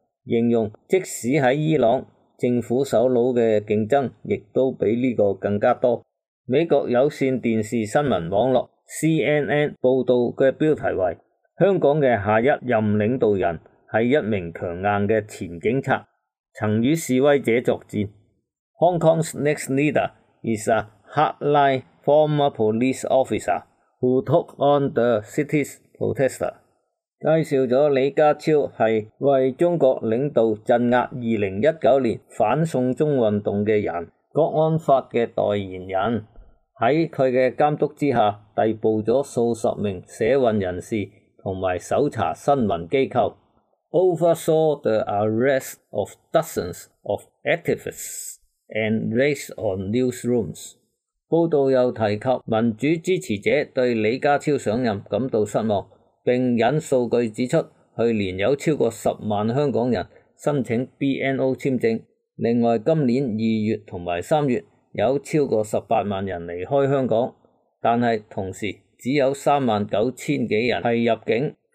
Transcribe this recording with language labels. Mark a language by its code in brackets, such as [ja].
[zh] 形容即使在伊朗，政府首脑的竞争亦都比这个更加多。美国有线电视新闻网络 CNN 报道的标题为香港的下一任领导人是一名强硬的前警察，曾与示威者作战。 [en] Hong Kong's next leader is a hardline former police officer who took on the city's protester。 [zh] 介绍了李家超是为中国领导镇压2019年反送中运动的人，国安法的代言人，在他的监督之下逮捕了数十名社运人士和搜查新闻机构。 [en] Oversaw the arrest of dozens of activists and raids on newsrooms。 [zh] 报道又提及民主支持者对李家超上任感到失望，并引数据指出去年有超过10万香港人申请 BNO 签证，另外今年2月和3月有超过18万人离开香港，但是同时只有39000多人是入境。